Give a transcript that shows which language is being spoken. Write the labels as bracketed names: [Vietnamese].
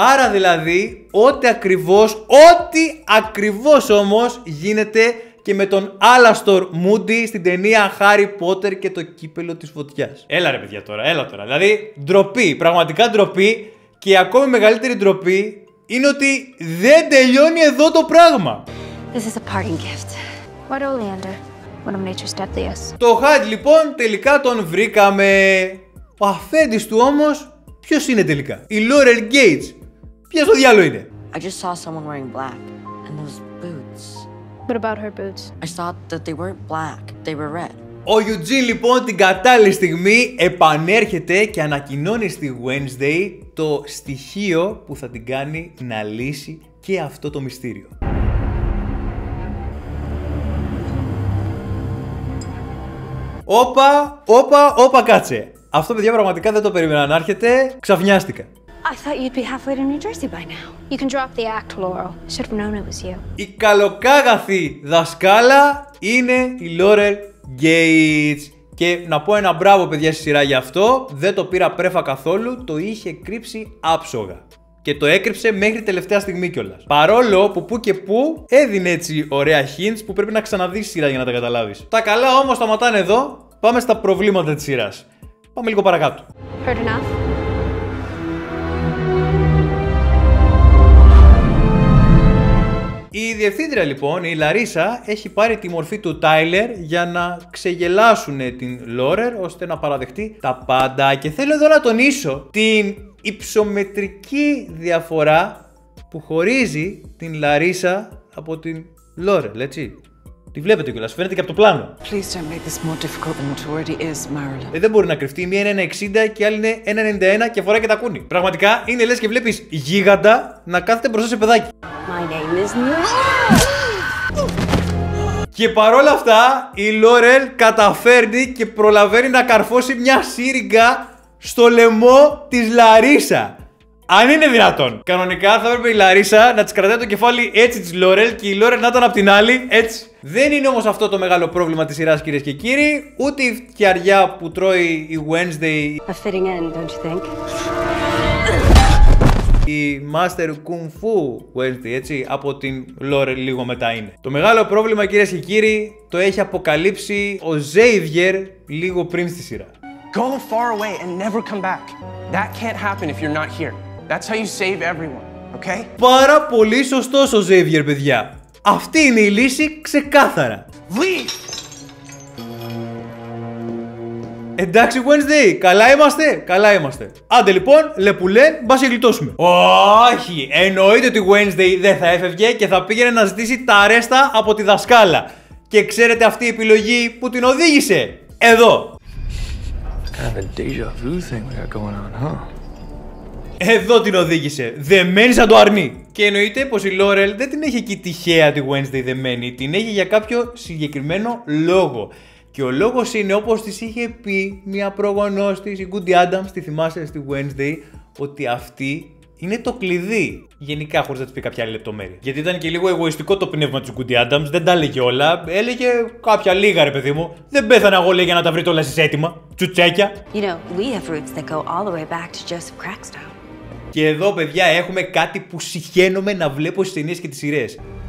[Greek] Άρα δηλαδή, ό,τι ακριβώς όμως γίνεται και με τον Alastor Moody στην ταινία Harry Potter και το κύπελο της φωτιάς. Έλα ρε παιδιά τώρα, έλα τώρα. Δηλαδή, ντροπή, πραγματικά ντροπή, και ακόμη μεγαλύτερη ντροπή είναι ότι δεν τελειώνει εδώ το πράγμα. [English] This is a parting gift. What Oleander, one of nature's deadliest. [Greek] Το Hyde λοιπόν τελικά τον βρήκαμε. Ο αφέντης του όμως ποιος είναι τελικά? Η Laurel Gates. Ποιος το διάλογο είναι? [English] I just saw someone wearing black and those boots. What about her boots? I thought that they weren't black, they were red. [Greek] Ο Eugene λοιπόν την κατάλληλη στιγμή επανέρχεται και ανακοινώνει στη Wednesday το στοιχείο που θα την κάνει να λύσει και αυτό το μυστήριο. Όπα, κάτσε. Αυτό, παιδιά, πραγματικά δεν το περίμενα να έρχεται. Ξαφνιάστηκα. [English] I thought you'd be halfway to New Jersey by now. You can drop the act, Laurel. I should have known it was you. [Greek] Η καλοκάγαθη δασκάλα είναι η Laurel Gates. Και να πω ένα μπράβο, παιδιά, στη σειρά για αυτό. Δεν το πήρα πρέφα καθόλου. Το είχε κρύψει άψογα. Και το έκρυψε μέχρι τελευταία στιγμή κιόλας. Παρόλο που πού και πού έδινε έτσι ωραία hints που πρέπει να ξαναδείς σειρά για να τα καταλάβεις. Τα καλά όμως σταματάνε εδώ. Πάμε στα προβλήματα της σειράς. Πάμε λίγο παρακάτω. [English] Heard enough. [Greek] Η διευθύντρια λοιπόν, η Λαρίσα, έχει πάρει τη μορφή του Τάιλερ για να ξεγελάσουν την Laurel ώστε να παραδεχτεί τα πάντα. Και θέλω εδώ να τονίσω την υψομετρική διαφορά που χωρίζει την Λαρίσα από την Laurel, έτσι. Τη βλέπετε κιόλας, φαίνεται και από το πλάνο. [English] Please don't make this more difficult than it already is, Marilyn. [Greek] Δεν μπορεί να κρυφτεί, μία είναι 1,60 και άλλη είναι 1,91 και φοράει και τα κούνη. Πραγματικά είναι λες και βλέπεις γίγαντα να κάθεται μπροστά σε παιδάκι. [English] My name is Laurel. [Greek] Και παρόλα αυτά η Laurel καταφέρνει και προλαβαίνει να καρφώσει μια σύριγγα στο λαιμό της Λαρίσα. Αν είναι δυνατόν. Κανονικά θα έπρεπε η Λαρίσα να της κρατάει το κεφάλι έτσι της Laurel και η Laurel να ήταν απ' την άλλη έτσι. Δεν είναι όμως αυτό το μεγάλο πρόβλημα της σειράς, κυρίες και κύριοι. Ούτε η φτιαριά που τρώει η Wednesday. [English] A fitting end, don't you think? [Greek] Η Master Kung Fu Wednesday, έτσι, από την Laurel λίγο μετά είναι. Το μεγάλο πρόβλημα, κυρίες και κύριοι, το έχει αποκαλύψει ο Xavier λίγο πριν στη σειρά. [English] Go far away and never come back. That can't happen if you're not here. That's how you save everyone, okay? [Greek] Πάρα πολύ σωστός ο Xavier, παιδιά. Αυτή είναι η λύση ξεκάθαρα. [English] Leave! [Greek] Εντάξει, Wednesday, καλά είμαστε, καλά είμαστε. Άντε λοιπόν, λεπουλέ, μπας και γλιτώσουμε. Όχι, εννοείται ότι Wednesday δεν θα έφευγε και θα πήγαινε να ζητήσει τα αρέστα από τη δασκάλα. Και ξέρετε αυτή η επιλογή που την οδήγησε. Εδώ. [English] Kind of a deja vu thing we got going on, huh? [Greek] Εδώ την οδήγησε, δεμένη σαν το αρνί. Και εννοείται πως η Laurel δεν την έχει εκεί τυχαία τη Wednesday δεμένη, την έχει για κάποιο συγκεκριμένο λόγο. Και ο λόγος είναι, όπως της είχε πει μια προγονός της, η Goody Adams, τη θυμάσαι στη Wednesday, ότι αυτή είναι το κλειδί. Γενικά, χωρίς να της πει κάποια άλλη λεπτομέρεια. Γιατί ήταν και λίγο εγωιστικό το πνεύμα της Goody Adams, δεν τα έλεγε όλα. Έλεγε κάποια λίγα, ρε παιδί μου. Δεν πέθανα εγώ, λέει, για να τα βρείτε όλα εσείς έτοιμα. Τσουτσέκια. [English] You know, we have roots that go all the way back to Joseph Crackstone. [Greek] Και εδώ, παιδιά, έχουμε κάτι που συχαίνομαι να βλέπω στις ταινίες και τις σειρές.